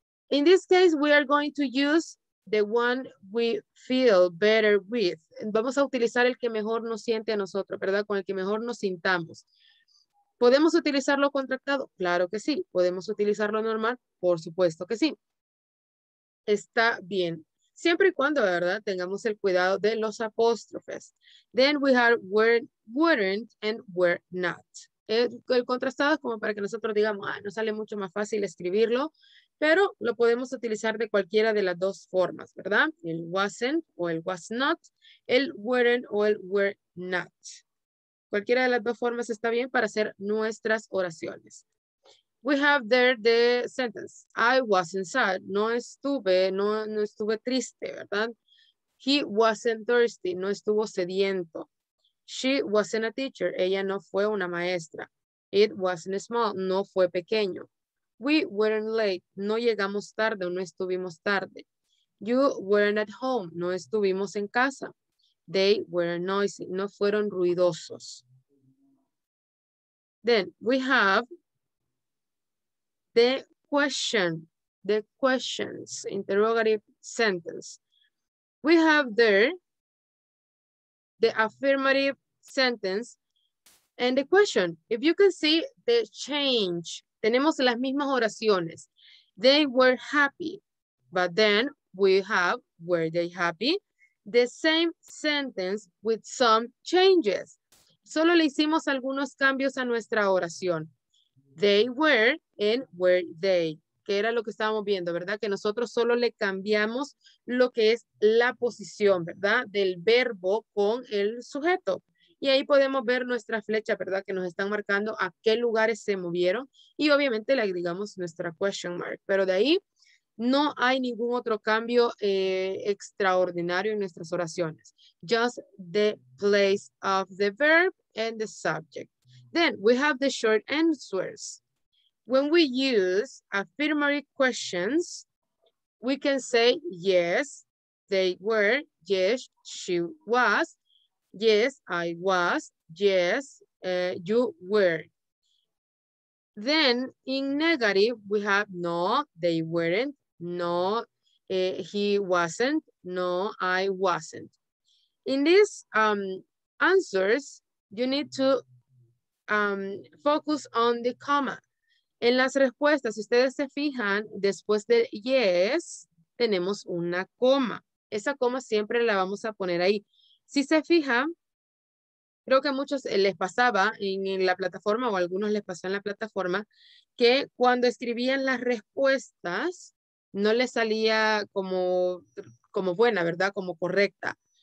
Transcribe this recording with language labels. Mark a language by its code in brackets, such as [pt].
[en] In this case, we are going to use the one we feel better with. [es] Vamos a utilizar el que mejor nos siente a nosotros, ¿verdad? Con el que mejor nos sintamos. ¿Podemos utilizarlo contractado? Claro que sí. ¿Podemos utilizarlo normal? Por supuesto que sí. Está bien. Siempre y cuando, ¿verdad? Tengamos el cuidado de los apóstrofes. [en] Then we have weren't and were not. [es] El contrastado es como para que nosotros digamos, ah, nos sale mucho más fácil escribirlo. Pero lo podemos utilizar de cualquiera de las dos formas, ¿verdad? El wasn't o el was not, el weren't o el were not. Cualquiera de las dos formas está bien para hacer nuestras oraciones. [en] We have there the sentence. I wasn't sad. [es] No estuve triste, ¿verdad? [en] He wasn't thirsty. [es] No estuvo sediento. [en] She wasn't a teacher. [es] Ella no fue una maestra. [en] It wasn't small. [es] No fue pequeño. [en] We weren't late. [es] No llegamos tarde o no estuvimos tarde. [en] You weren't at home. [es] No estuvimos en casa. [en] They were noisy. [es] No fueron ruidosos. [en] Then we have the question. The questions. Interrogative sentence. We have there the affirmative sentence and the question. If you can see the change. [es] Tenemos las mismas oraciones. [en] They were happy. But then we have, were they happy? The same sentence with some changes. [es] solo le hicimos algunos cambios a nuestra oración. [en] They were and were they, [es] que era lo que estábamos viendo, ¿verdad? Que nosotros solo le cambiamos lo que es la posición, ¿verdad? Del verbo con el sujeto. Y ahí podemos ver nuestra flecha, ¿verdad? Que nos están marcando a qué lugares se movieron. Y obviamente le agregamos nuestra question mark. Pero de ahí no hay ningún otro cambio extraordinario en nuestras oraciones. [en] Just the place of the verb and the subject. Then we have the short answers. When we use affirmative questions, we can say, yes, they were, yes, she was, yes, I was, yes, you were. Then in negative, we have, no, they weren't, no, he wasn't, no, I wasn't. In these answers, you need to focus on the comma. [es] En las respuestas, si ustedes se fijan, después de yes, tenemos una coma. Esa coma siempre la vamos a poner ahí. Si se fijan, creo que a muchos les pasaba en la plataforma o a algunos les pasó en la plataforma que cuando escribían las respuestas no les salía como buena, ¿verdad? Como correcta.